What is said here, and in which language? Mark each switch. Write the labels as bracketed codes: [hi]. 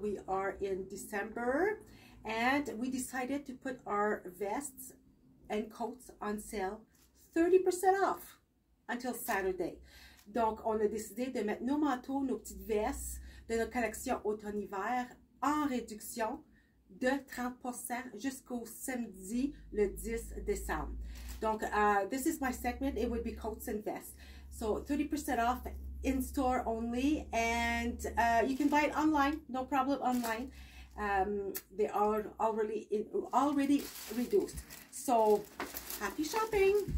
[en] We are in December and we decided to put our vests and coats on sale 30% off until Saturday. [fr] Donc on a décidé de mettre nos manteaux, nos petites vestes de notre collection automne-hiver en réduction de 30% jusqu'au samedi le 10 décembre. Donc [en] this is my segment, it would be coats and vests. So 30% off in store only, and you can buy it online, no problem online. They are already reduced. So happy shopping.